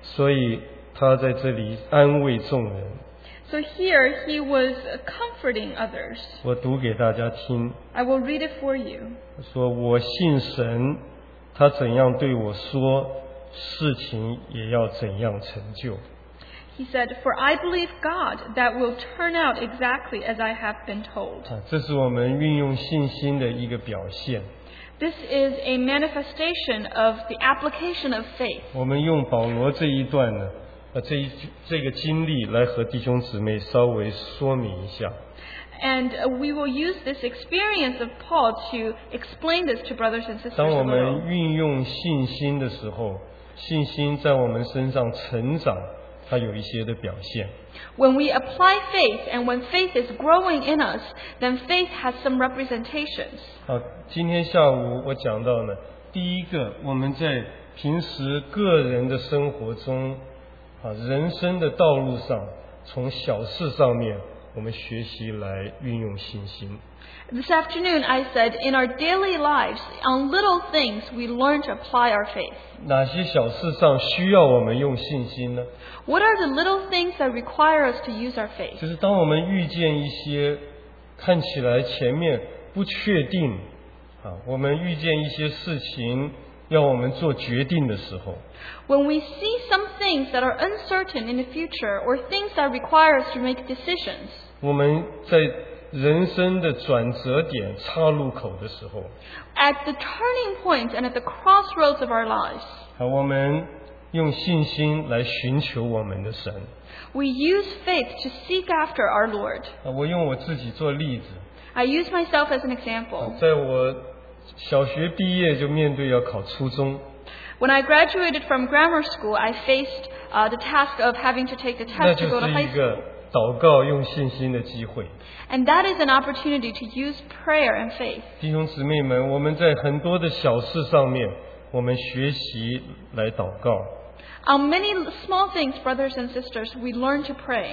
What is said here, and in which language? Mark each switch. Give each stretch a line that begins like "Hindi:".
Chinese: 所以他在这里安慰众人。
English: So here he was comforting others.
Chinese: 我读给大家听。
English: I will read it for you.
Chinese: 说我信神，他怎样对我说，事情也要怎样成就。
English: He said, for I believe God that will turn out exactly as I have been told.
Chinese: 这是我们运用信心的一个表现。
English: This is a manifestation of the application of faith.
Chinese: 我们用保罗这一段呢，这个经历来和弟兄姊妹稍微说明一下。
English: And we will use this experience of Paul to explain this to brothers and sisters.
Chinese: 当我们运用信心的时候，信心在我们身上成长。它有一些的表现。
English: When we apply faith and when faith is growing in us, then faith has some representations.
Chinese: 好，今天下午我讲到呢，第一个，我们在平时个人的生活中，人生的道路上，从小事上面，我们学习来运用信心。
English: This afternoon, I said, in our daily lives, on little things, we learn to apply our faith.
Chinese: 哪些小事上需要我们用信心呢？
English: What are the little things that require us to use our faith?
Chinese: 就是当我们遇见一些看起来前面不确定，我们遇见一些事情要我们做决定的时候。
English: When we see some things that are uncertain in the future, or things that require us to make decisions,
Chinese: 我们在人生的转折点岔路口的时候
English: at the turning point and at the crossroads of our lives
Chinese: 好，我们用信心来寻求我们的神。
English: We use faith to seek after our Lord
Chinese: 我用我自己做例子。
English: I use myself as an example
Chinese: 在我小学毕业就面对要考初中。
English: When I graduated from grammar school I faced the task of having to take the test to go to high school
Chinese: 那就是一个祷告用信心的机会。
English: And that is an opportunity to use prayer and faith.
Chinese: 弟兄姊妹们，我们在很多的小事上面，我们学习来祷告。 On many small things, brothers and sisters, we learn to pray.